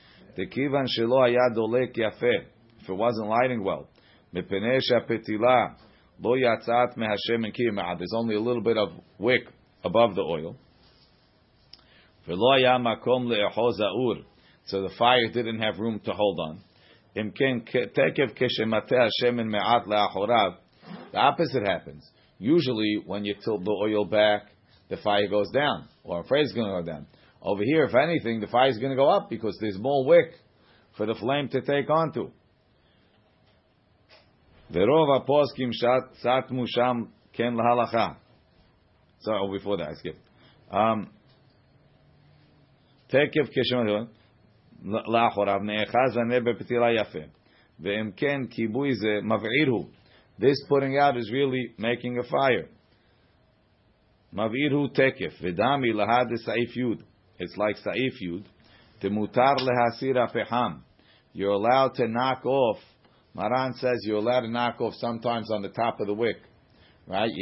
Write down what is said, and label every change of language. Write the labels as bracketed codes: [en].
[he] וכיוון שלא היה דולק יפה, [en] if it wasn't lighting well, [he] מפני שהפתילה לא יצאת מהשמן כי מעט, [en] there's only a little bit of wick above the oil, [he] ולא היה מקום לאחוז האור, [en] so the fire didn't have room to hold on, [he] אם כן, תקף כשמטה השמן מעט לאחוריו, [en] the opposite happens. Usually, when you tilt the oil back, the fire goes down, or the fire is going to go down. Over here, if anything, the fire is going to go up, because there's more wick for the flame to take onto. [he] ורוב הפוסקים סתמו שם כן להלכה. [en] Sorry, before that, I skipped. [he] תקף כשמדון, לאחוריו, נאחז ונה בפתילה יפה. ואם כן, כיבוי זה מבעיר הוא. [en] This putting out is really making a fire. [he] מבעיר הוא תקף. ודמי להד סעיף יוד. [en] It's like [he] סעיף יוד. תמותר להסיר הפחם. [en] You're allowed to knock off. Maran says you're allowed to knock off sometimes on the top of the wick, right?